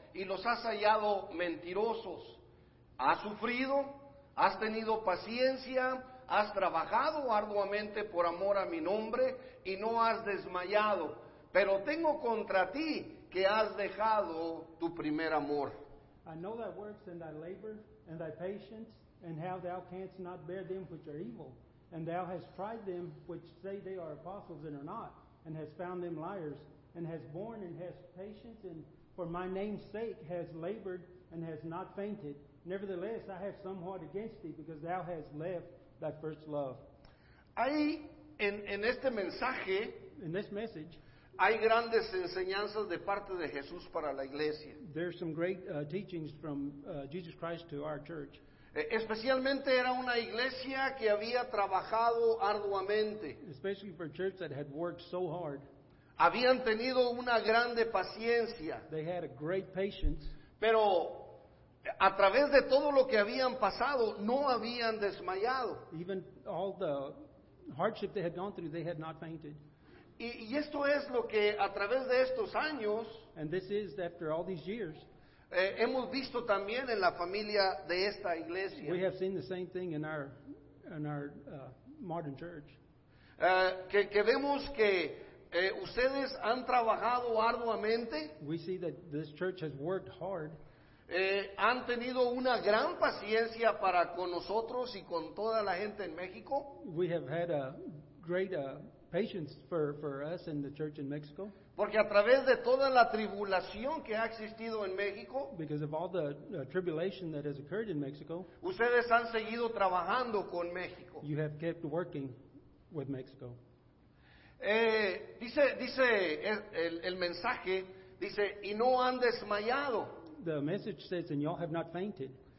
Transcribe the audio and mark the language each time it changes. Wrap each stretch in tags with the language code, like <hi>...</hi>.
<es>Y los has hallado mentirosos. Has sufrido, has tenido paciencia, has trabajado arduamente por amor a mi nombre y no has desmayado. Pero tengo contra ti que has dejado tu primer amor.</es> <en>I know thy works and thy labor and thy patience and how thou canst not bear them which are evil. And thou hast tried them which say they are apostles and are not. And has found them liars, and has borne, and has patience, and for my name's sake has labored, and has not fainted. Nevertheless, I have somewhat against thee, because thou hast left thy first love.</en> <es>Hay en este mensaje,</es> <en>in this message,</en> <es>hay grandes enseñanzas de parte de Jesús para la iglesia.</es> <en>There are some great teachings from Jesus Christ to our church.</en> <es>Especialmente era una iglesia que había trabajado arduamente.</es> <en>Especially for a church that had worked so hard.</en> <es>Habían tenido una grande paciencia.</es> <en>They had a great patience.</en> <es>Pero a través de todo lo que habían pasado, no habían desmayado.</es> <en>Even all the hardship they had gone through, they had not fainted.</en> <es>Y esto es lo que a través de estos años.</es> <en>And this is after all these years.</en> <es>Hemos visto también en la familia de esta iglesia.</es> <en>We have seen the same thing in our modern church.</en> <es>Que vemos que ustedes han trabajado arduamente.</es> <en>We see that this church has worked hard.</en> <es>Han tenido una gran paciencia para con nosotros y con toda la gente en México.</es> <en>We have had a great patience for us and the church in Mexico.</en> <es>Porque a través de toda la tribulación que ha existido en México,</es> <en>because of all the tribulation that has occurred in Mexico,</en> <es>ustedes han seguido trabajando con México.</es> <en>You have kept working with Mexico.</en> <es>Dice el mensaje, dice, y no han desmayado.</es> <en>The message says, and y'all have not fainted.</en>